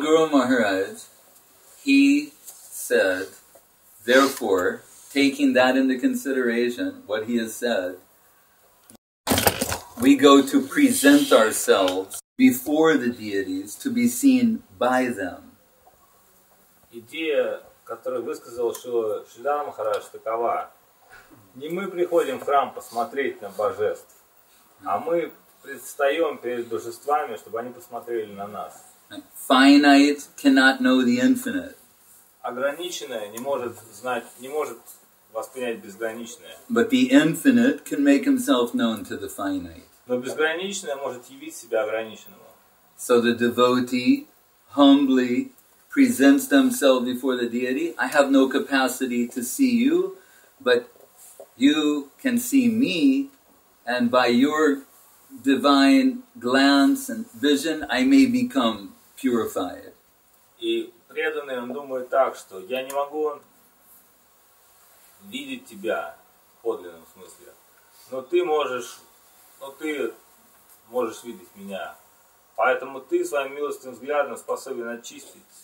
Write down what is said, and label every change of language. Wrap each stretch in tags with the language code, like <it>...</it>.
<en>Guru Maharaj, he said, therefore, taking that into consideration, what he has said, we go to present ourselves before the deities to be seen by them.</en> <ru>Идея, которую высказал Шрила Махарадж, такова. Не мы приходим в храм посмотреть на божеств, а мы предстаем перед божествами, чтобы они посмотрели на нас.</ru> <en>Finite cannot know the infinite.</en> <ru>Ограниченное не может знать, не может воспринять безграничное.</ru> <en>But the infinite can make himself known to the finite.</en> <ru>Но безграничное может явить себя ограниченному.</ru> <en>So the devotee humbly presents themselves before the deity. I have no capacity to see you, but you can see me, and by your divine glance and vision, I may become purified.</en> <ru>И преданный он думает так, что я не могу видеть тебя в подлинном смысле, но ты можешь, видеть меня, поэтому ты своим милостивым взглядом способен очистить.</ru>